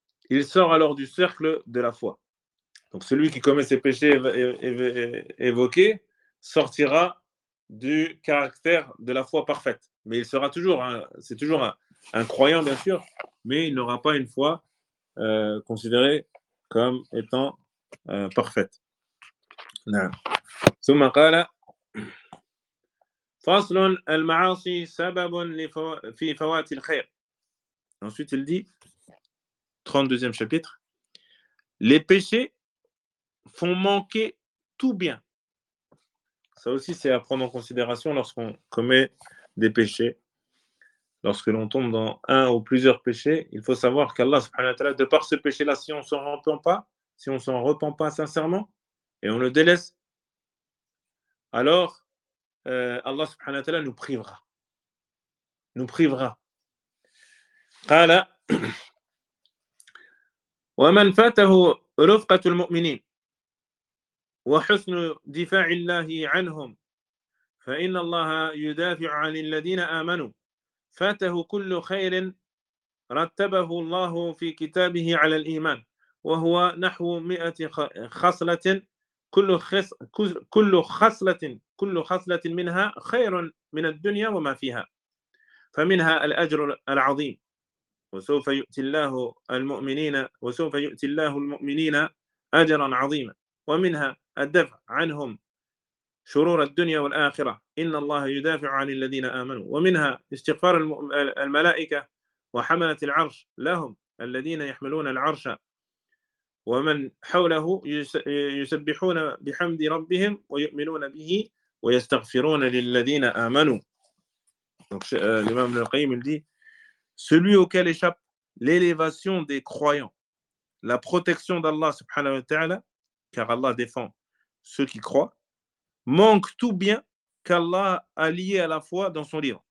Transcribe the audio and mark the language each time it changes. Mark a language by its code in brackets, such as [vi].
[fr] Il sort alors du cercle de la foi. Donc celui qui commet ses péchés évoqués sortira du caractère de la foi parfaite. Mais il sera toujours, c'est toujours un croyant bien sûr, mais il n'aura pas une foi considérée comme étant parfaite. Non. [ar] Summa qala فصل المعاصي سبب في فوات الخير. [fr] Ensuite il dit, 32e chapitre, les péchés font manquer tout bien. Ça aussi c'est à prendre en considération lorsqu'on commet des péchés. Lorsque l'on tombe dans un ou plusieurs péchés, il faut savoir qu'Allah subhanahu wa ta'ala, de par ce péché-là, si on ne s'en repent pas, si on ne s'en repent pas sincèrement et on le délaisse, alors Allah subhanahu wa ta'ala nous privera. [ar] قال ومن فاته رفقة المؤمنين وحسن دفاع الله عنهم فإن الله يدافع عن الذين آمنوا فاته كل خير رتبه الله في كتابه على الإيمان وهو نحو 100 خصلة كل خصلة منها خير من الدنيا وما فيها فمنها الأجر العظيم وسوف يؤتي الله المؤمنين أجرا عظيما ومنها الدفع عنهم شرور الدنيا والآخرة إن الله يدافع عن الذين آمنوا ومنها استغفار الملائكة وحملة العرش لهم الذين يحملون العرش ومن حوله يسبحون بحمد ربهم ويؤمنون به ويستغفرون للذين آمنوا. [fr] Donc l'imam al-Qayyim dit, celui auquel échappe l'élévation des croyants, la protection d'Allah subhanahu wa ta'ala, car Allah défend ceux qui croient, manque tout bien qu'Allah a lié à la foi dans son livre.